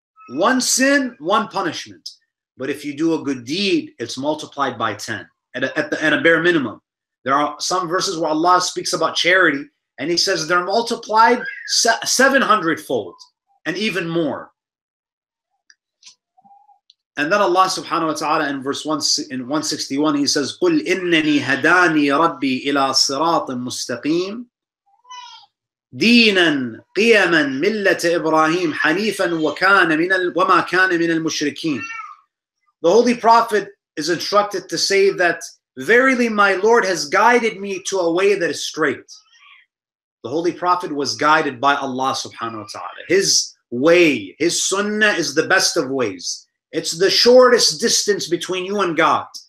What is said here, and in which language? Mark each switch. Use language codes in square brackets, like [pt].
[en] One sin, one punishment. But if you do a good deed, it's multiplied by 10 at a bare minimum. There are some verses where Allah speaks about charity and he says they're multiplied 700-fold and even more. And then Allah subhanahu wa ta'ala in verse 161, he says, [ar] قُلْ إِنَّنِي هَدَانِي رَبِّي إِلَىٰ صِرَاطٍ مُسْتَقِيمٍ دِينًا قِيَمًا مِلَّةِ إِبْرَاهِيمٍ حَنِيفًا وَمَا كَانَ مِنَ الْمُشْرِكِينَ. [en] The Holy Prophet is instructed to say that verily my Lord has guided me to a way that is straight. The Holy Prophet was guided by Allah subhanahu wa ta'ala. His way, his sunnah is the best of ways. It's the shortest distance between you and God.